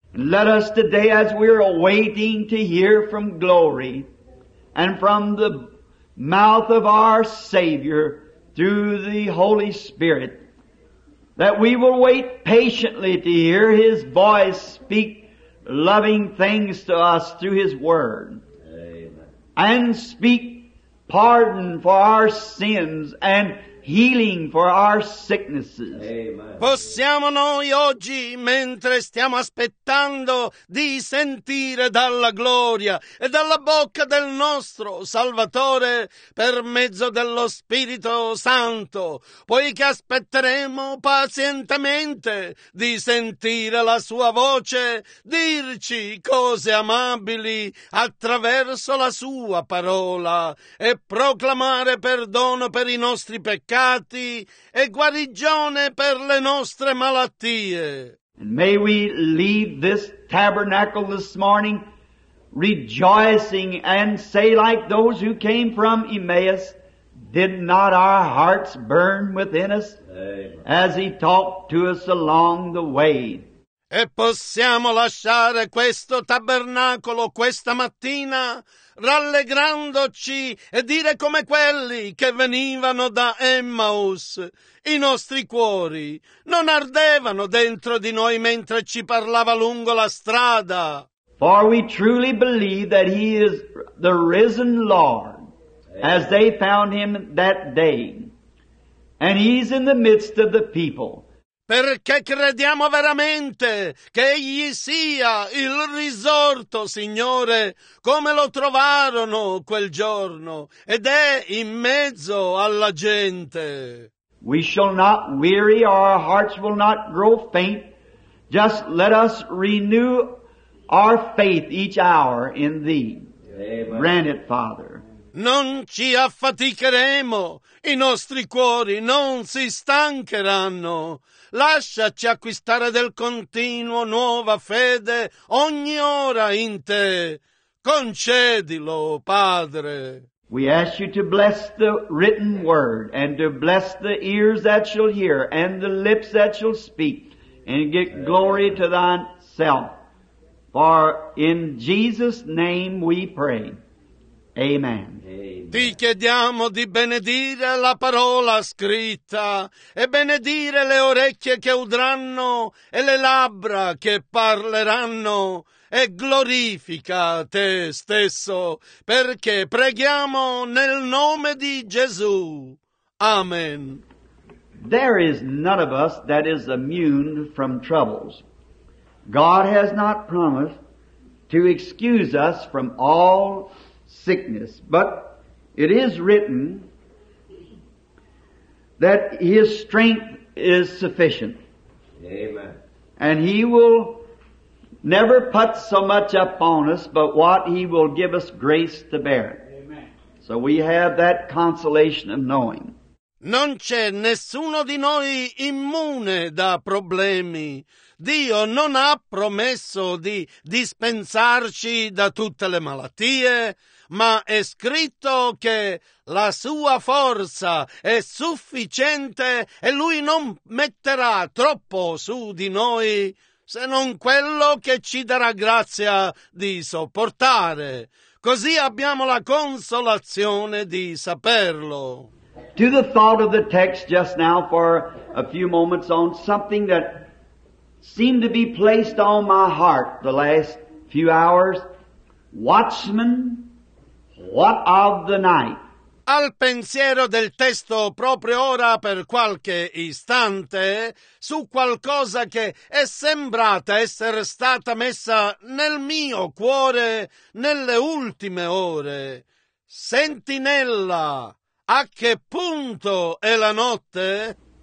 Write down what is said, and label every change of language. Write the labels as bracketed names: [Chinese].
[English] Let us today, as we are waiting to hear from glory and from the mouth of our Savior through the Holy Spirit, that we will wait patiently to hear His voice speak loving things to us through His Word. Amen. And speak pardon for our sins and healing for our sicknesses. Amen. [Italian] Possiamo noi oggi, mentre stiamo aspettando di sentire dalla gloria e dalla bocca del nostro Salvatore per mezzo dello Spirito Santo, poiché aspetteremo pazientemente di sentire la sua voce, dirci cose amabili attraverso la sua parola e proclamare perdono per i nostri peccati e guarigione per le nostre malattie. [English] And may we leave this tabernacle this morning rejoicing and say, like those who came from Emmaus, did not our hearts burn within us? Amen. As he talked to us along the way. [Italian] E possiamo lasciare questo tabernacolo questa mattina rallegrandoci e dire come quelli che venivano da Emmaus, i nostri cuori non ardevano dentro di noi mentre ci parlava lungo la strada. [English] For we truly believe that he is the risen Lord. as they found him that day. And he's in the midst of the people. [Italian] Perché crediamo veramente che egli sia il risorto, Signore, come lo trovarono quel giorno, ed è in mezzo alla gente. [English] We shall not weary, our hearts will not grow faint. Just let us renew our faith each hour in Thee. Amen. Grant it, Father. [Italian] Non ci affaticheremo, i nostri cuori non si stancheranno. Lasciaci acquistare del continuo nuova fede ogni ora in Te. Concedilo, Padre. [English] We ask you to bless the written word and to bless the ears that shall hear and the lips that shall speak and get glory to thyself. For in Jesus' name we pray. Amen. [Italian] Ti chiediamo di benedire la parola scritta e benedire le orecchie che udranno e le labbra che parleranno. E glorifica te stesso, perché preghiamo nel nome di Gesù. Amen. [English] There is none of us that is immune from troubles. God has not promised to excuse us from all sickness, but it is written that His strength is sufficient. Amen. And He will never put so much upon us, but what He will give us grace to bear. Amen. So we have that consolation of knowing. [Italian] Non c'è nessuno di noi immune da problemi. Dio non ha promesso di dispensarci da tutte le malattie, ma è scritto che la Sua forza è sufficiente e Lui non metterà troppo su di noi, se non quello che ci darà grazia di sopportare. Così abbiamo la consolazione di saperlo. [English] To the thought of the text just now for a few moments on something that seemed to be placed on my heart the last few hours. Watchman, what of the night? [Italian] Al pensiero del testo proprio ora per qualche istante, su qualcosa che è sembrata essere stata messa nel mio cuore nelle ultime ore. Sentinella, a che punto è la notte?